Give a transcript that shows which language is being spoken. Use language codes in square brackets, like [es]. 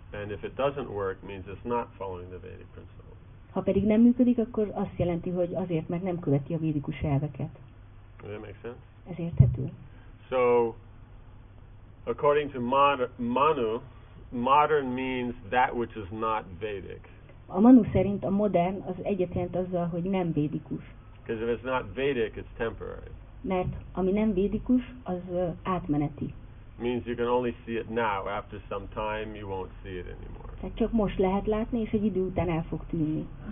[en] And if it doesn't work, means it's not following the Vedic principles. [hu] Ha pedig nem működik, akkor azt jelenti, hogy azért, mert nem követi a védikus elveket. [en] Does that make sense? [hu] Ez érthető. [en] So, according to Manu, modern means that which is not Vedic. [hu] A Manu szerint a modern az egyet jelent azzal, hogy nem védikus. [en] Because if it's not Vedic, it's temporary. [hu] Mert ami nem védikus, az átmeneti. [en] Means you can only see it now. After some time, you won't see it anymore. [hu] Tehát csak most lehet látni, és egy idő után el fog tűnni.